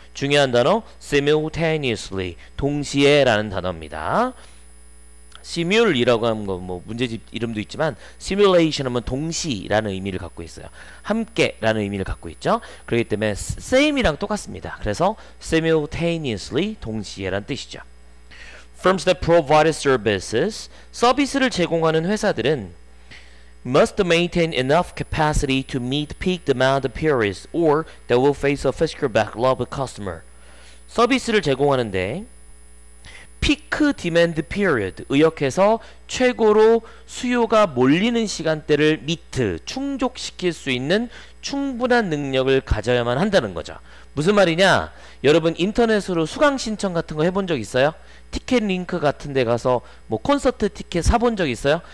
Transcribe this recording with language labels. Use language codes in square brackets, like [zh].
[ko] 중요한 단어 simultaneously 동시에라는 단어입니다. simul이라고 하는 건 뭐 문제집 이름도 있지만 simulation 하면 동시라는 의미를 갖고 있어요. 함께라는 의미를 갖고 있죠. 그렇기 때문에 same이랑 똑같습니다. 그래서 simultaneously 동시에라는 뜻이죠. [en] firms that provide services [ko] 서비스를 제공하는 회사들은 [en] must maintain enough capacity to meet peak demand periods or they will face a physical backlog of customer. [ko] 서비스를 제공하는데 [en] peak demand period [ko] 의역해서 최고로 수요가 몰리는 시간대를 meet 충족시킬 수 있는 충분한 능력을 가져야만 한다는 거죠. 무슨 말이냐? 여러분 인터넷으로 수강 신청 같은 거 해본 적 있어요? 티켓 링크 같은 데 가서 뭐 콘서트 티켓 사본 적 있어요?